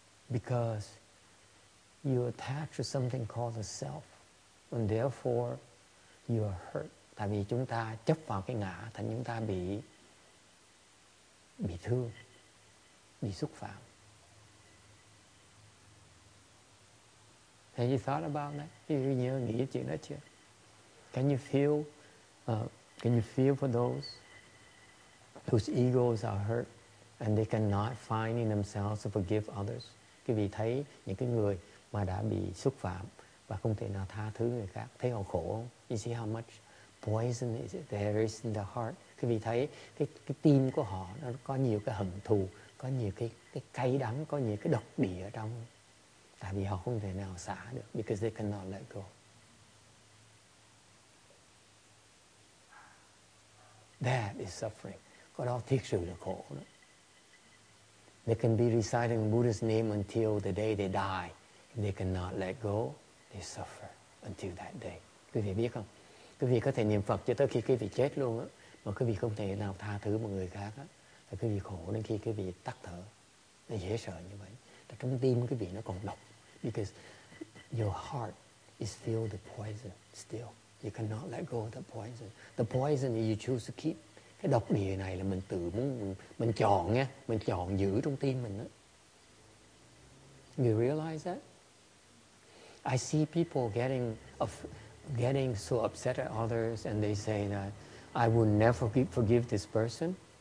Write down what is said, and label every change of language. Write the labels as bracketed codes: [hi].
[en] Because you attach to something called the self, and therefore you are hurt. [vi] Tại vì chúng ta chấp vào cái ngã, thành chúng ta bị thương, bị xúc phạm. [en] Have you thought about that? You [vi] nhớ nghĩ chuyện đó chưa? [en] Can you feel for those whose egos are hurt and they cannot find in themselves to forgive others? [vi] Quý vị thấy những cái người mà đã bị xúc phạm và không thể nào tha thứ người khác, thấy họ khổ không? [en] You see how much poison is it? There is in the heart. [vi] Quý vị thấy cái tim của họ nó có nhiều cái hận thù, có nhiều cái cay đắng, có nhiều cái độc địa ở trong. Tại vì họ không thể nào xả được. [en] Because they cannot let go. That is suffering. [vi] Có đó thiệt sự là khổ đó. [en] They can be reciting Buddha's name until the day they die. If they cannot let go, they suffer until that day. [vi] Quý vị biết không? Quý vị có thể niệm Phật cho tới khi quý vị chết luôn á. Mà quý vị không thể nào tha thứ một người khác á. Là quý vị khổ đến khi quý vị tắt thở. Nó dễ sợ như vậy. Trong tim quý vị nó còn độc. [en] Because your heart is filled with poison still. You cannot let go of the poison. The poison you choose to keep. [vi] Cái độc địa này là mình tự muốn, mình chọn nha. Mình chọn giữ trong tim mình á. [en] You realize that? I see people getting so upset at others and they say that I will never forgive this person.